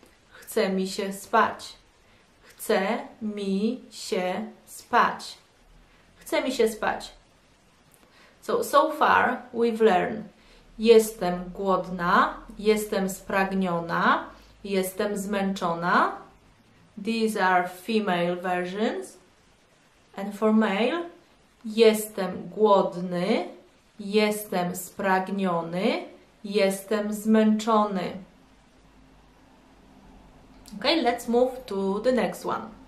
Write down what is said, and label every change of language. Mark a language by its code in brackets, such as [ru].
[pl] Chcę mi się spać. Chcę mi się spać. Chcę mi się spać. [en] So far we've learned. [pl] Jestem głodna, jestem spragniona, jestem zmęczona. [en] These are female versions. And for male, [pl] jestem głodny, jestem spragniony, jestem zmęczony. [en] Okay, let's move to the next one.